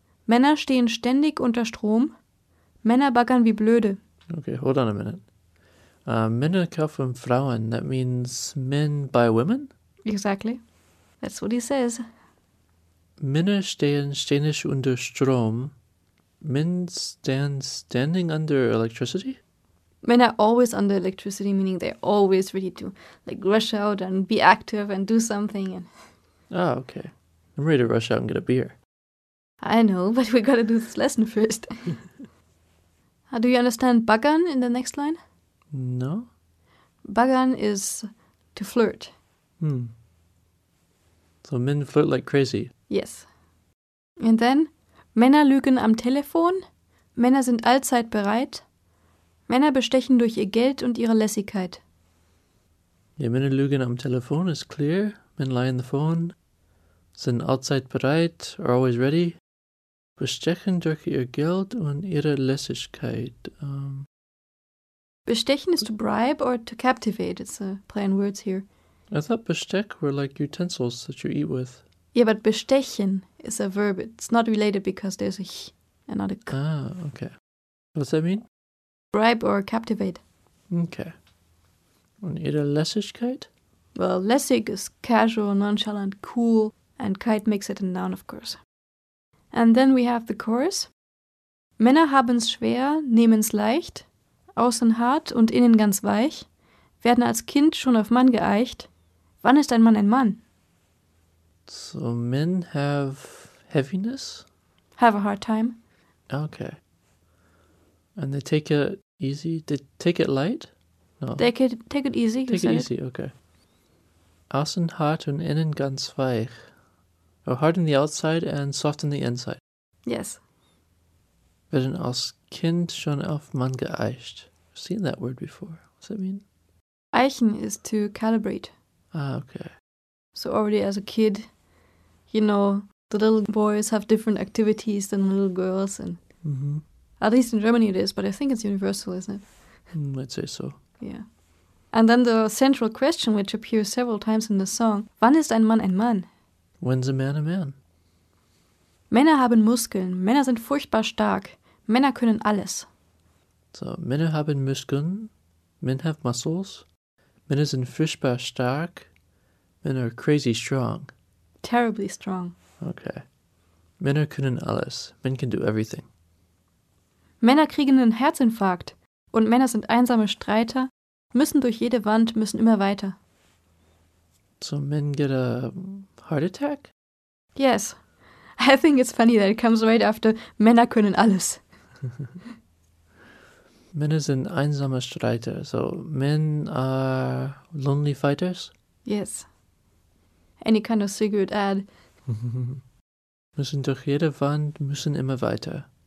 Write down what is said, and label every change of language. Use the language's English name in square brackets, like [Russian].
[German] Männer stehen ständig unter Strom. Männer baggern wie blöde. [English] Okay, hold on a minute. [German] Männer kaufen Frauen, [English] that means men buy women? Exactly. That's what he says. [German] Männer stehen ständig unter Strom. [English] Men stand standing under electricity? Men are always under electricity, meaning they're always ready to like rush out and be active and do something. And oh, okay. I'm ready to rush out and get a beer. I know, but we gotta do this lesson first. Do you understand baggern in the next line? No. Baggern is to flirt. Hmm. So men flirt like crazy. Yes. And then, [German] Männer lügen am Telefon. Männer sind allzeit bereit. Männer bestechen durch ihr Geld und ihre Lässigkeit. [English] Yeah, [German] Männer lügen am Telefon [English] is clear. Men lie on the phone. [German] Sind allzeit bereit, [English] are always ready. [German] Bestechen durch ihr Geld und ihre Lässigkeit. [English] Bestechen is to bribe or to captivate. It's a play on words here. I thought Besteck were like utensils that you eat with. Yeah, but bestechen is a verb. It's not related because there's a ch and not a k. Ah, okay. What's that mean? Bribe or captivate. [German] Okay. Und ihre Lässigkeit? [English] Well, lässig is casual, nonchalant, cool, and kite makes it a noun, of course. And then we have the chorus. [German] Männer haben's schwer, nehmen's leicht, außen hart und innen ganz weich, werden als Kind schon auf Mann geeicht. Wann ist ein Mann ein Mann? [English] So men have heaviness? Have a hard time. Okay. And they take it easy? They take it light? No. Take it easy. Take it easy. Okay. [German] Außen hart und innen ganz weich. [English] Or hard on the outside and soft on the inside. Yes. [German] Werden als Kind schon auf Mann geeicht. [English] I've seen that word before. What does that mean? Eichen is to calibrate. Ah, okay. So already as a kid, you know, the little boys have different activities than the little girls. And mm-hmm. At least in Germany it is, but I think it's universal, isn't it? Mm, I'd say so. Yeah. And then the central question, which appears several times in the song, [German] wann ist ein Mann? [English] When's a man a man? [German] Männer haben Muskeln. Männer sind furchtbar stark. Männer können alles. [English] So, [German] Männer haben Muskeln. [English] Men have muscles. [German] Männer sind furchtbar stark. [English] Men are crazy strong. Terribly strong. Okay. [German] Männer können alles. [English] Men can do everything. [German] Männer kriegen einen Herzinfarkt. Und Männer sind einsame Streiter. Müssen durch jede Wand, müssen immer weiter. [English] So men get a heart attack? Yes. I think it's funny that it comes right after [German] Männer können alles. Männer sind einsame Streiter. [English] So men are lonely fighters? Yes. Any kind of cigarette ad. [German] Müssen durch jede Wand, müssen immer weiter.